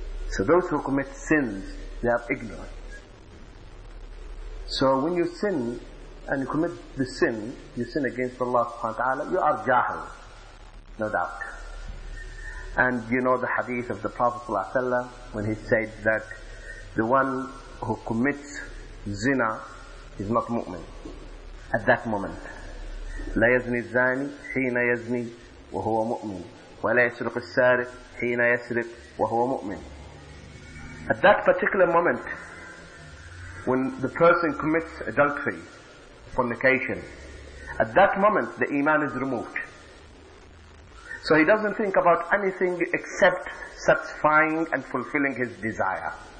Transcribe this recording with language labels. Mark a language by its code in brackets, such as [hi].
[en] So those who commit sins, they are ignorant. So when you sin and you commit the sin, you sin against Allah subhanahu wa ta'ala, you are jahil, no doubt. And you know the hadith of the Prophet sallallahu alaihi wasallam when he said that the one who commits zina is not mu'min at that moment. [ar] لا يزني الزاني حين يزني وهو مؤمن ولا يسرق السارق حين يسرق وهو مؤمن. [en] At that particular moment, when the person commits adultery, fornication, at that moment the iman is removed. So he doesn't think about anything except satisfying and fulfilling his desire.